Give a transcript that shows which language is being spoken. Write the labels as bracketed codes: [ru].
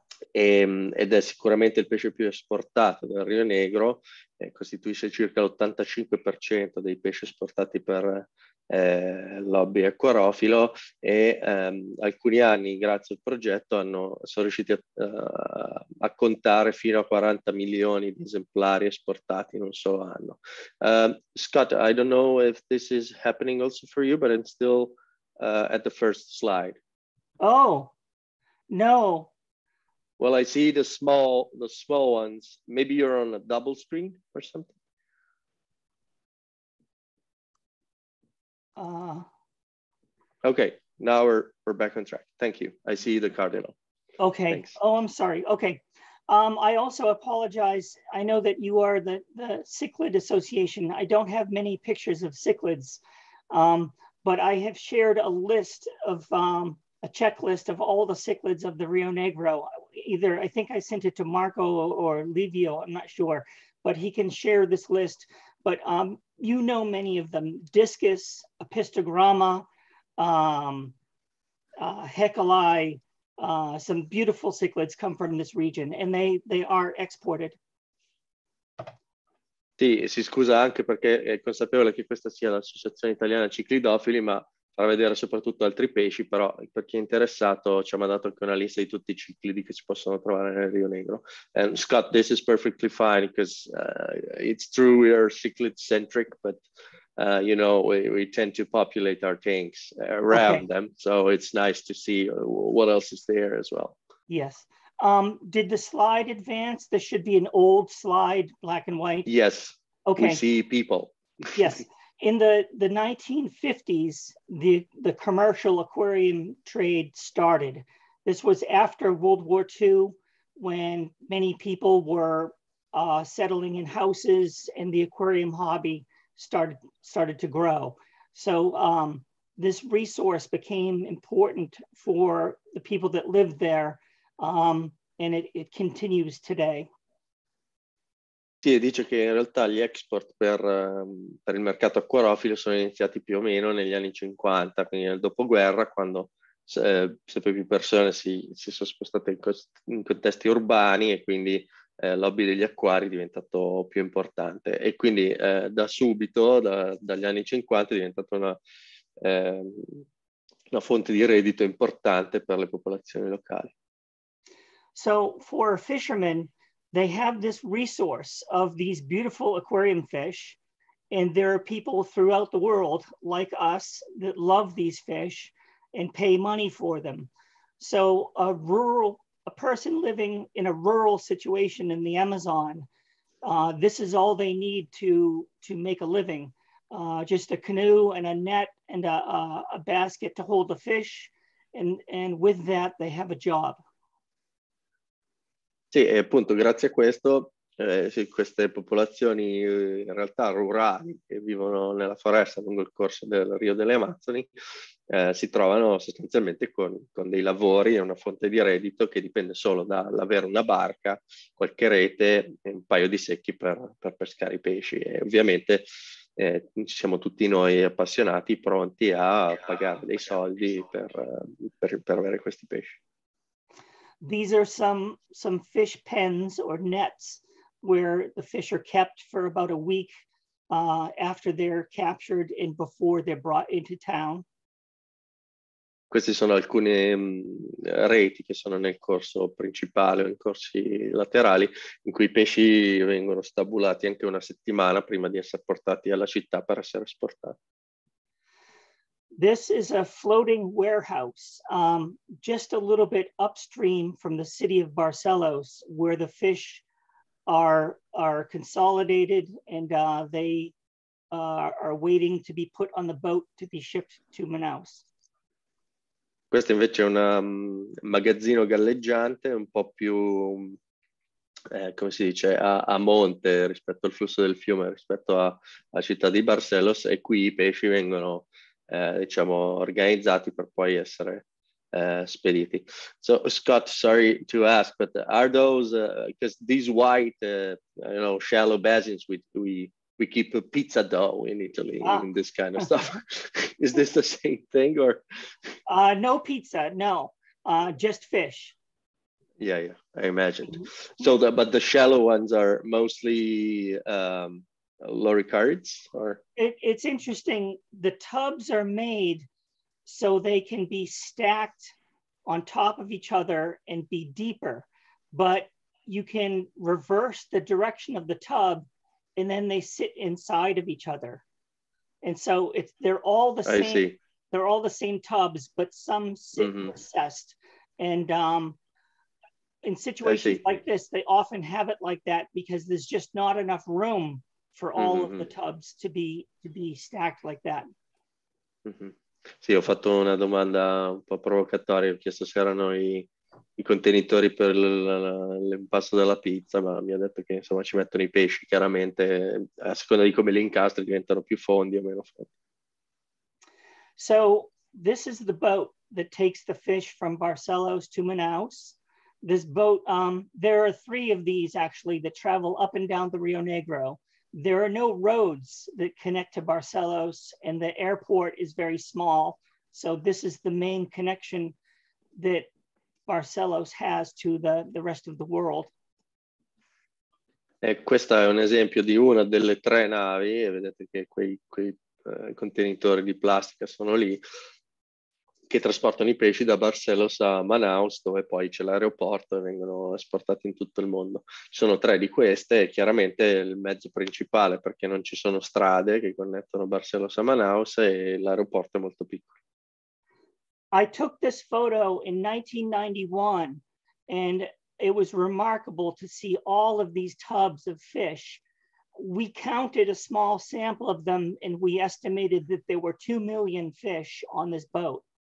[it] Ed è sicuramente il pesce più esportato del Rio Negro, costituisce circa l'85% dei pesci esportati per lobby acquarofilo e alcuni anni, grazie al progetto, sono riusciti a contare fino a 40 milioni di esemplari esportati in un solo anno. [en] Scott, I don't know if this is happening also for you, but it's still at the first slide. Oh, no. Well, I see the small ones. Maybe you're on a double screen or something. Okay, now we're back on track. Thank you. I see the cardinal. Okay. Thanks. Oh, I'm sorry. Okay. I also apologize. I know that you are the Cichlid Association. I don't have many pictures of cichlids, but I have shared a list of a checklist of all the cichlids of the Rio Negro. Either I think I sent it to Marco or Livio, I'm not sure, but he can share this list. But you know many of them: Discus, Epistogramma, Heckeli, some beautiful cichlids come from this region and they are exported. [it] Sì, si scusa anche perché è consapevole che questa sia l'Associazione Italiana Ciclidofili, ma farà vedere soprattutto altri pesci, però per chi è interessato ci ha mandato anche una lista di tutti I ciclidi che si possono trovare nel Rio Negro. [en] And Scott, this is perfectly fine because it's true we are cichlid centric, but you know, we tend to populate our tanks around okay. them, so it's nice to see what else is there as well. Yes. Did the slide advance? This should be an old slide, black and white. Yes. Okay. We see people. Yes. In the 1950s, the commercial aquarium trade started. This was after World War II, when many people were settling in houses and the aquarium hobby started to grow. So this resource became important for the people that lived there. And it continues today. [it] Sì, dice che in realtà gli export per il mercato acquariofilo sono iniziati più o meno negli anni 50, quindi nel dopoguerra, quando sempre più persone si sono spostate in contesti urbani e quindi l'hobby degli acquari è diventato più importante. E quindi da subito, dagli anni 50, è diventata una fonte di reddito importante per le popolazioni locali. [en] So for fishermen, they have this resource of these beautiful aquarium fish, and there are people throughout the world like us that love these fish and pay money for them. So a person living in a rural situation in the Amazon, this is all they need to make a living. Just a canoe and a net and a basket to hold the fish, and with that they have a job. [it] Sì, e appunto grazie a questo queste popolazioni in realtà rurali che vivono nella foresta lungo il corso del Rio delle Amazzoni si trovano sostanzialmente con dei lavori e una fonte di reddito che dipende solo dall'avere una barca, qualche rete e un paio di secchi per pescare I pesci. E ovviamente ci siamo tutti noi appassionati pronti a pagare dei soldi per avere questi pesci. [en] These are some fish pens or nets where the fish are kept for about a week after they're captured and before they're brought into town. [it] Queste sono alcune reti che sono nel corso principale o in corsi laterali in cui I pesci vengono stabulati anche una settimana prima di essere portati alla città per essere esportati. [en] This is a floating warehouse, just a little bit upstream from the city of Barcelos, where the fish are consolidated and they are waiting to be put on the boat to be shipped to Manaus. [it] Questo invece è un magazzino galleggiante, un po' più, come si dice, a monte rispetto al flusso del fiume, rispetto alla città di Barcelos, e qui I pesci vengono diciamo organizzati per poi essere spediti. [en] So Scott, sorry to ask, but are those because these white you know shallow basins we keep a pizza dough in Italy in this kind of stuff. Is this the same thing or no pizza, no. Just fish. Yeah, I imagined. So the shallow ones are mostly loricards or it's interesting. The tubs are made so they can be stacked on top of each other and be deeper, but you can reverse the direction of the tub and then they sit inside of each other. And so it's they're all the same. I see. They're all the same tubs, but some sit recessed. And in situations like this, they often have it like that because there's just not enough room for all of the tubs to be stacked like that. [it] Sì, ho fatto una domanda un po' provocatoria, ho chiesto se erano I contenitori per l'impasto della pizza, ma mi ha detto che insomma ci mettono I pesci, chiaramente a seconda di come li incastri diventano più fondi o meno fondi. [en] So this is the boat that takes the fish from Barcelos to Manaus. This boat, there are three of these actually that travel up and down the Rio Negro. There are no roads that connect to Barcelos, and the airport is very small. So this is the main connection that Barcelos has to the rest of the world. [it] Questo è un esempio di una delle tre navi, vedete che quei contenitori di plastica sono lì, che trasportano i pesci da Barcelos a Manaus, dove poi c'è l'aeroporto e vengono esportati in tutto il mondo. Ci sono tre di queste, e chiaramente il mezzo principale, perché non ci sono strade che connettono Barcelos a Manaus e l'aeroporto è molto piccolo. [en] I took this photo in 1991 and it was remarkable to see all of these tubs of fish. We counted a small sample of them and we estimated that there were 2 million fish on this boat.